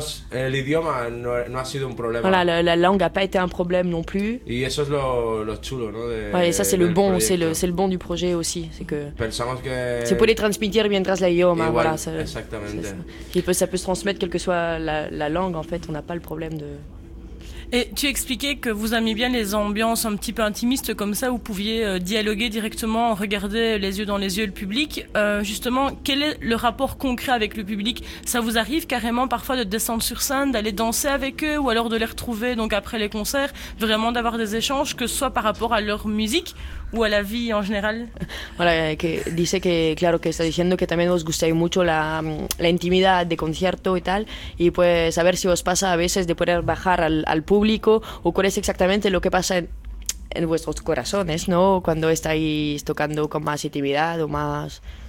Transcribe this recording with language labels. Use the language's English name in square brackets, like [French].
[Spanish] El idioma no ha sido un problema. [French] Voilà, la langue n'a pas été un problème non plus. [Spanish] Y eso es lo chulo, ¿no? [French] Ouais, et ça, c'est le bon du projet aussi. C'est que. [Spanish] Pensamos que. [French] C'est pour les [Spanish] transmitir mientras l'idioma. [French] Voilà, exactement. Ça peut se transmettre, quelle que soit la langue, en fait, on n'a pas le problème de. Et tu expliquais que vous aimiez bien les ambiances un petit peu intimistes comme ça, où vous pouviez dialoguer directement, regarder les yeux dans les yeux le public. Justement, quel est le rapport concret avec le public? Ça vous arrive carrément parfois de descendre sur scène, d'aller danser avec eux, ou alors de les retrouver donc après les concerts, vraiment d'avoir des échanges, que ce soit par rapport à leur musique ou à la vie en général? [Spanish] Voilà, que dice que claro que está diciendo que también os gustáis mucho la intimidad de concierto y tal, y pues a ver si os pasa a veces de poder bajar al público, o cuál es exactamente lo que pasa en vuestros corazones, ¿no? Cuando estáis tocando con más intimidad o más.